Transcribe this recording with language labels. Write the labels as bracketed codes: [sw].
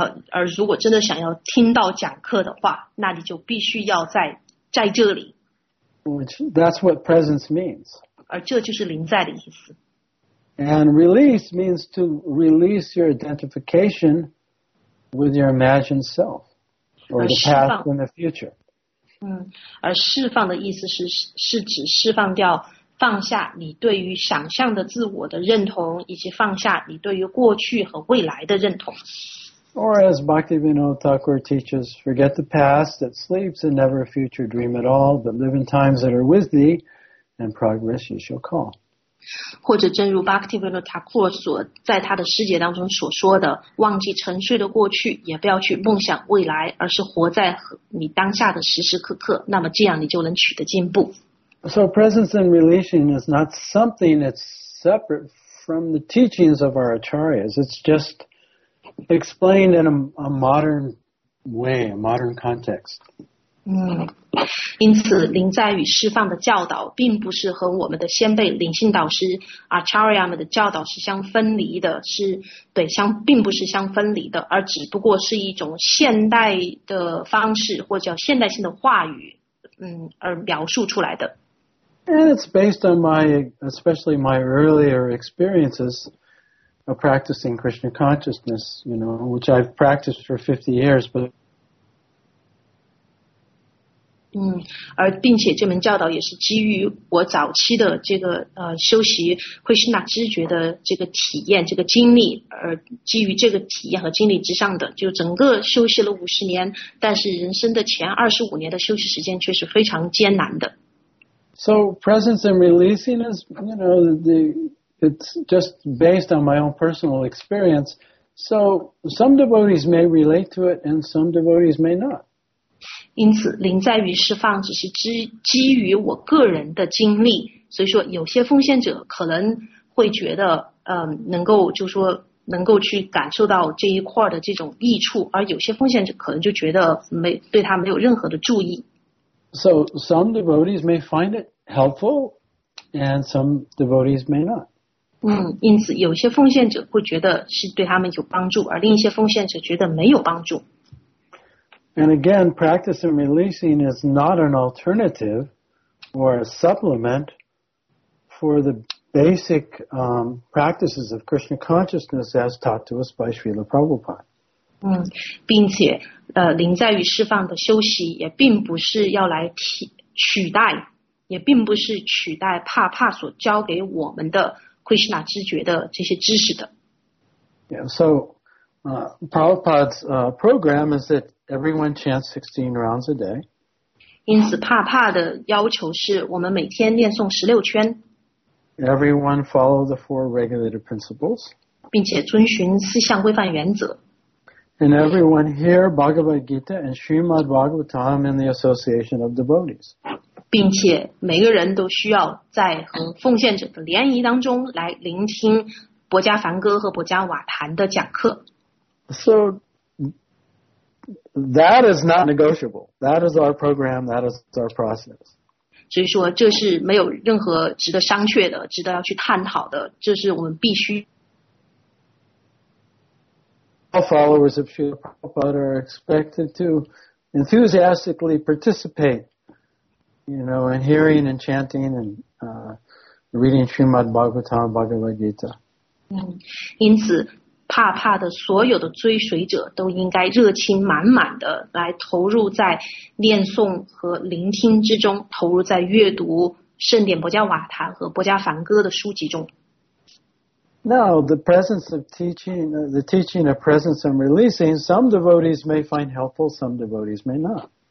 [zh] 而如果真的想要听到讲课的话，那你就必须要在这里。 [en] Which, that's what presence means. [zh] 而这就是临在的意思。 [en] And release means to release your identification with your imagined self, or the past and the future. [zh] 而释放的意思是指释放掉放下你对于想象的自我的认同，以及放下你对于过去和未来的认同。 [en] Or as Bhaktivinoda Thakur teaches, forget the past that sleeps and never a future dream at all, but live in times that are with thee, and progress you shall call. [zh] 或者正如 Bhaktivinoda Thakur 所在他的诗节当中所说的，忘记沉睡的过去，也不要去梦想未来，而是活在你当下的时时刻刻，那么这样你就能取得进步。 [en] So presence and releasing is not something that's separate from the teachings of our acharyas. It's just explained in a modern way, a modern context. [zh] 因此临在与释放的教导并不是和我们的先辈灵性导师 acharya 们的教导是相分离的，是对相并不是相分离的，而只不过是一种现代的方式或者叫现代性的话语，而描述出来的。 [en] And it's based on especially my earlier experiences of practicing Krishna consciousness, you know, which I've practiced for 50 years, but. [zh] 而并且这门教导也是基于我早期的这个修习Krishna知觉的这个体验这个经历，而基于这个体验和经历之上的，就整个修习了50年，但是人生的前25年的修习时间却是非常艰难的。 [en] So presence and releasing is, you know, it's just based on my own personal experience. So some devotees may relate to it and some devotees may not. [zh] 因此临在于释放只是基于我个人的经历，所以说有些奉献者可能会觉得能够去感受到这一块的这种益处，而有些奉献者可能就觉得对他没有任何的注意。 [en] So some devotees may find it helpful, and some devotees may not. [zh] 因此有些奉献者会觉得是对他们有帮助，而另一些奉献者觉得没有帮助。 [en] And again, practice and releasing is not an alternative or a supplement for the basic practices of Krishna consciousness as taught to us by Srila Prabhupada. [zh] 并且临在与释放的修习也并不是要来取代也并不是取代帕帕所教给我们的 Krishna 知觉的这些知识的。 [en] Yeah, so Prabhupada's program is that everyone chants 16 rounds a day. [zh] 因此帕帕的要求是我们每天念诵16圈。 [en] Everyone follow the four regulative principles. [zh] 并且遵循四项规范原则。 [en] And everyone hear Bhagavad Gita and Srimad Bhagavatam in the association of devotees. [zh] 并且每个人都需要在和奉献者的联谊当中来聆听博伽梵歌和博伽瓦坛的讲课。 [en] So that is not negotiable. That is our program. That is our process. [zh] 所以说这是没有任何值得商榷的，值得要去探讨的，这是我们必须。 [en] all followers of Srila Prabhupada are expected to enthusiastically participate, you know, in hearing and chanting and reading Srimad Bhagavatam, Bhagavad Gita. [zh] 因此, 怕怕的所有的追随者都应该热情满满的来投入在念诵和聆听之中, 投入在阅读圣典伯加瓦坛和伯加梵歌的书籍中。 [en] Now, the presence of teaching, the teaching of presence and releasing, some devotees may find helpful, some devotees may not.